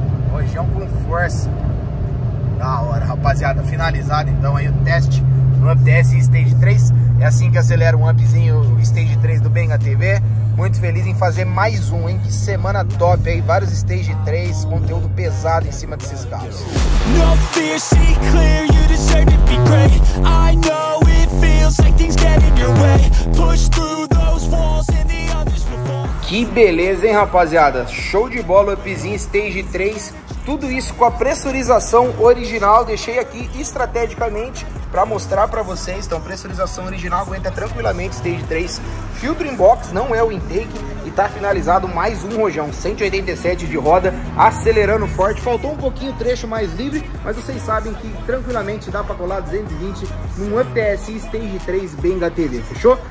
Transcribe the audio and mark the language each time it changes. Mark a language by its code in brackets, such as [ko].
[pt] Rojão com força. Da hora, rapaziada, finalizado então aí o teste no UPTSI Stage 3. É assim que acelera um upzinho o Stage 3 do Benga TV. Muito feliz em fazer mais um, hein? Que semana top aí. Vários Stage 3, conteúdo pesado em cima desses carros. [en] No fear, see clear, you deserve to be great. I know it feels like things get in your way. Push through those walls and the others will fall. [pt] Que beleza, hein, rapaziada? Show de bola o upzinho Stage 3. Tudo isso com a pressurização original, deixei aqui estrategicamente para mostrar para vocês. Então, pressurização original aguenta tranquilamente stage 3. Filtro inbox não é o intake e tá finalizado mais um rojão. 187 de roda, acelerando forte. Faltou um pouquinho o trecho mais livre, mas vocês sabem que tranquilamente dá para colar 220 num UPTSI stage 3 Benga TV, fechou?